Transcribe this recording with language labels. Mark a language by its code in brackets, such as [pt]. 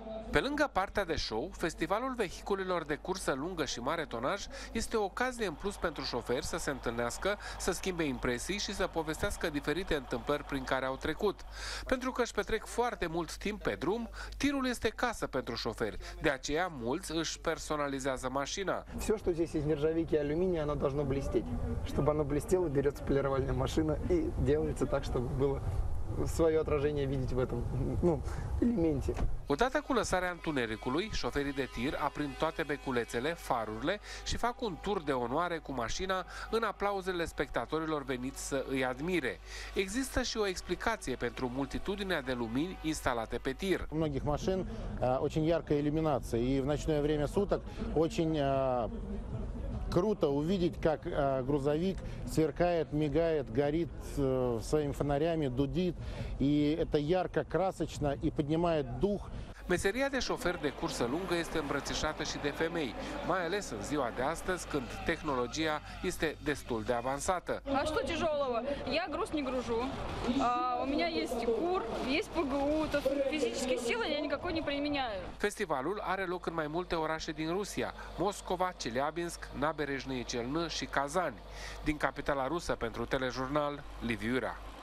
[ro] Pe lângă partea de show, festivalul vehiculelor de cursă lungă și mare tonaj este o ocazie în plus pentru șoferi să se întâlnească, să schimbe impresii și să povestească diferite întâmplări prin care au trecut. Pentru că își petrec foarte mult timp pe drum, tirul este casă pentru șoferi. De aceea, mulți își personalizează mașina. [ru] Все, [uk] що [ru] здесь из нержавейки, алюминия, оно должно блестеть. Чтобы оно блестело, берется полировальная машина и делается так, чтобы было свое отражение видеть в этом, ну, элементе. [ro] Odată cu lăsarea întunericului, șoferii de tir aprind toate beculețele, farurile și fac un tur de onoare cu mașina în aplauzele spectatorilor veniți să îi admire. Există și o explicație pentru multitudinea de lumini instalate pe tir. [ru] У многих машин очень яркая иллюминация, и в ночное время суток очень круто увидеть, как грузовик сверкает, мигает, горит своими фонарями, дудит, и это ярко, красочно и поднимает дух. [ro] Meseria de șofer de cursă lungă este îmbrățișată și de femei, mai ales în ziua de astăzi, când tehnologia este destul de avansată. [ru] А что тяжелого? Я груз не гружу. У меня есть кур, есть ПГУ, то физические силы я никакой не применяю. [ro] Festivalul are loc în mai multe orașe din Rusia: Moscova, Chelyabinsk, Nabereșnie Celnă și Kazani. Din capitala rusă, pentru Telejurnal, Liviu Ura.